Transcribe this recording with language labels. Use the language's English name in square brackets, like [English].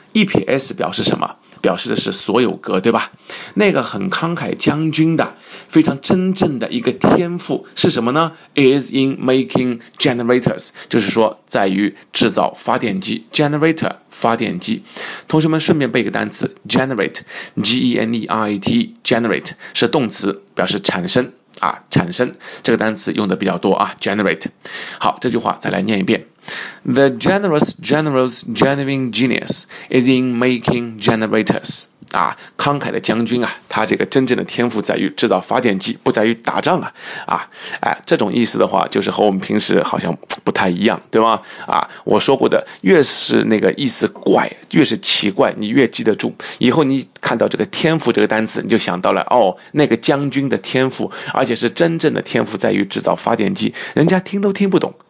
[Chinese] 一撇 s 表示什么？表示的是所有格，对吧？那个很慷慨将军的非常真正的一个天赋是什么呢 ？ [English] Is in making generators， [Chinese] 就是说在于制造发电机 ，generator 发电机。同学们顺便背一个单词 ，generate，G-E-N-E-R-A-T，generate 是动词，表示产生啊，产生这个单词用的比较多啊 ，generate。好，这句话再来念一遍。 [English] The generous general's genuine genius is in making generators. [Chinese] 啊，慷慨的将军啊，他这个真正的天赋在于制造发电机，不在于打仗啊。啊，哎，这种意思的话，就是和我们平时好像不太一样，对吗？啊，我说过的，越是那个意思怪，越是奇怪，你越记得住。以后你看到这个天赋这个单词，你就想到了，哦，那个将军的天赋，而且是真正的天赋在于制造发电机，人家听都听不懂。